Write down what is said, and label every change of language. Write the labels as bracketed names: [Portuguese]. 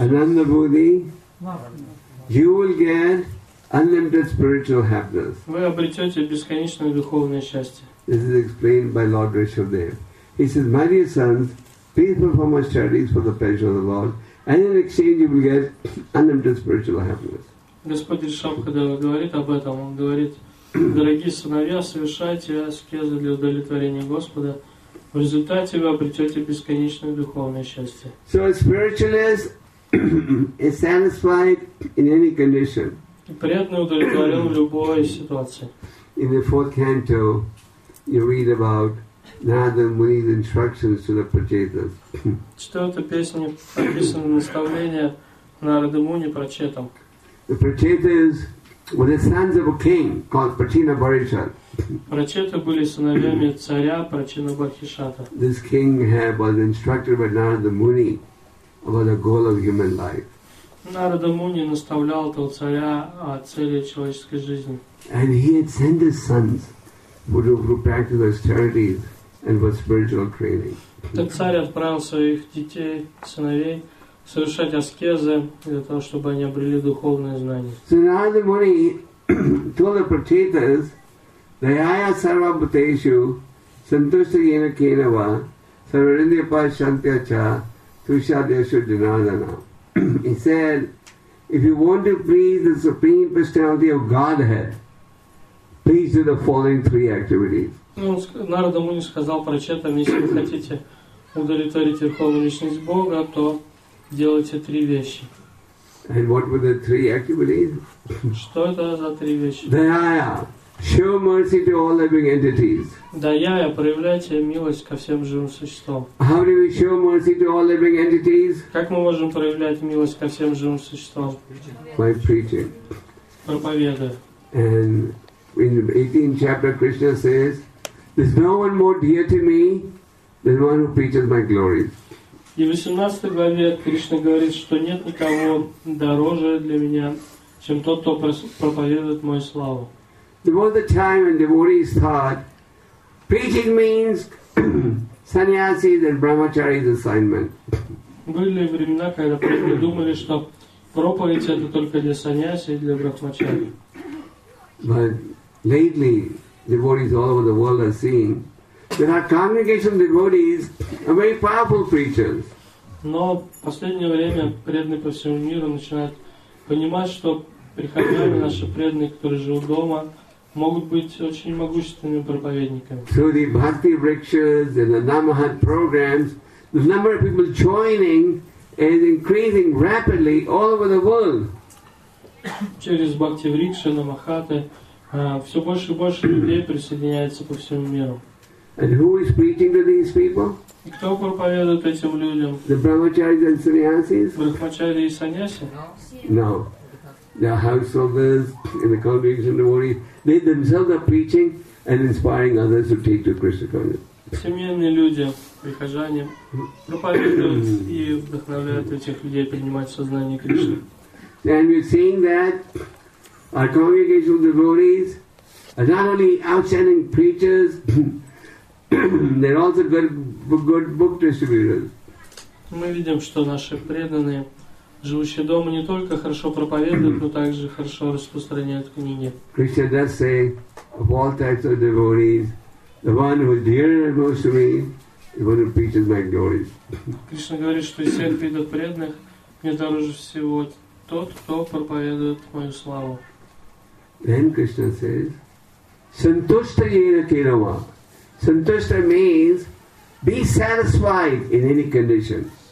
[English] Ananda Bodhi, you will get unlimited spiritual happiness. [Russian] Вы обретете бесконечное духовное счастье. [English] This is explained by Lord Rishabhdev. He says, my dear sons, please perform austerities for the pleasure of the Lord, and in exchange you will get unlimited spiritual happiness. [Russian] Господь Ришабх, когда говорит об этом, он говорит, дорогие сыновья, совершайте аскезы для удовлетворения Господа. В результате вы обретете бесконечное духовное счастье. [English] So a spiritualist is satisfied in any condition. [Russian] Преданный удовлетворен в любой ситуации. [English] In the fourth canto, you read about Narada Muni's instructions to the Prachetas. [Russian] В четвертой песне описано наставление Нарады Муни Прачетам. [English] The Prachetas were the sons of a king called Prachina Bharishat. [Russian] Прачеты были сыновьями царя Прачина Бахишата. [English] This king was instructed by Narada Muni about the goal of human life. [Russian] Narada Muni наставлял этого царя о цели человеческой жизни. [English] And he had sent his sons who practiced austerities and for spiritual training. [Russian] Так царь отправил своих детей, сыновей, совершать аскезы для того, чтобы они обрели духовные знания. [English] So Narada Muni told the Prachetas, [Sanskrit] Daya sarva bhuteshu santushta yena kenava sarvarindipa shantyacha tushadyashu dinadana. [English] He said, if you want to please the Supreme Personality of Godhead, please do the following three activities. [Russian] Narada Muni сказал прачетам, если вы хотите удовлетворить Верховную Личность Бога, то делайте три вещи. [English] And what were the three activities? [Russian] Что это за три вещи? [English] Daya. Show mercy to all living entities. [Russian] Даяя, проявляйте милость ко всем живым существам. [English] How do we show mercy to all living entities? [Russian] Как мы можем проявлять милость ко всем живым существам? [English] By preaching. [Russian] Проповедуя. [English] And in the 18th chapter, Krishna says, there's no one more dear to me than one who preaches my glory. [Russian] И в 18 главе Кришна говорит, что нет никого дороже для меня, чем тот, кто проповедует мою славу. [English] There was a time when devotees thought, preaching means sannyasi and brahmachari's assignment. [Russian] Были времена, когда преданные думали, что проповедь это только для саньяси и для брахмачари. [English] But lately, devotees all over the world are seeing that our congregation devotees are very powerful preachers. [Russian] Но в последнее время преданные по всему миру начинают понимать, что прихожане наши преданные, которые живут дома, могут быть очень могущественными проповедниками. [English] Through the bhakti rickshas and the namahat programs, the number of people joining is increasing rapidly all over the world. [Russian] Через бхакти рикши, намахаты, все больше и больше людей присоединяется по всему миру. [English] And who is preaching to these people? [Russian] И кто проповедует этим людям? [English] The brahmacharis and sannyasis? [Russian] Брахмачари и саньяси? [English] No. The householders and the congregation devotees, they themselves are preaching and inspiring others to take to Krishna consciousness. [Russian] Семейные люди, прихожане, проповедуют и вдохновляют этих людей принимать сознание Кришны. [English] And we're seeing that our congregational devotees are not only outstanding preachers, they're also good book distributors. [Russian] Мы видим, что наши преданные, живущие дома, не только хорошо проповедуют, но также хорошо распространяют книги. [English] Krishna does say, of all types of devotees, the one who is dearer and most to me, the one who preaches my glories. [Russian] Krishna говорит, что из всех видов преданных мне дороже всего тот, кто проповедует мою славу. [English] Then Krishna says, [Sanskrit] santushta yena kenava. [English] Santushta means, be satisfied in any condition.